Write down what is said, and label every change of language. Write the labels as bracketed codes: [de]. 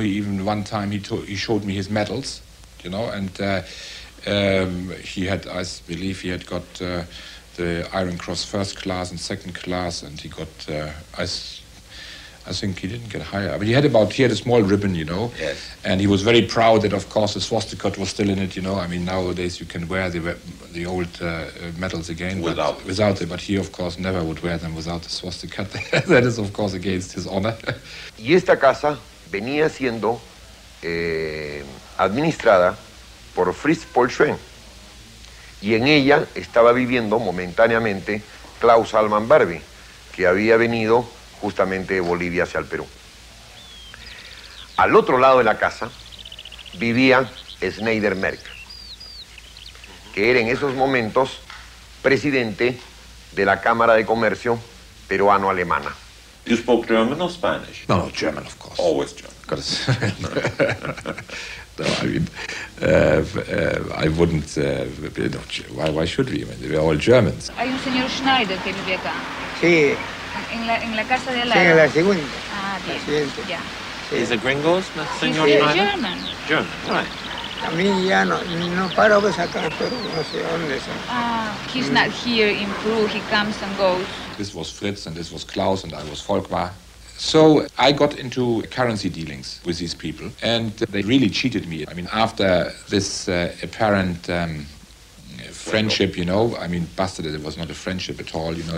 [en] He showed me his medals, you know, and I believe he had got the Iron Cross first class and second class, and he got, I think he didn't get higher, but he had a small ribbon, you know. Yes. And he was very proud that, of course, the swastika was still in it, you know. I mean, nowadays you can wear the old medals again without it, but he, of course, never would wear them without the swastika. That is, of course, against his honor. [es] Y esta casa venía siendo administrada por Fritz Paul Schwend, y en ella estaba viviendo momentáneamente Klaus Alman Barbie, que había venido justamente de Bolivia hacia el Perú. Al otro lado de la casa vivía Schneider Merck, que era en esos momentos presidente de la Cámara de Comercio peruano-alemana. [en] You spoke German or Spanish? No, German, of course. Always German. Why should we? I mean, they were all Germans. [es] Hay un señor Schneider que vive acá. Sí. En la casa de al lado. Sí, en la segunda. Ah, bien. Ya. [en] Yeah. [es] Sí. [en] Is a gringo, señor Schneider? German. German, right. [es] A mí ya no paro de sacar, pero no sé dónde está. [en] Ah, he's not here in Peru. He comes and goes. This was Fritz and this was Klaus and I was Volkmar. So I got into currency dealings with these people, and they really cheated me. I mean, after this apparent friendship, you know, I mean, busted it. It was not a friendship at all, you know.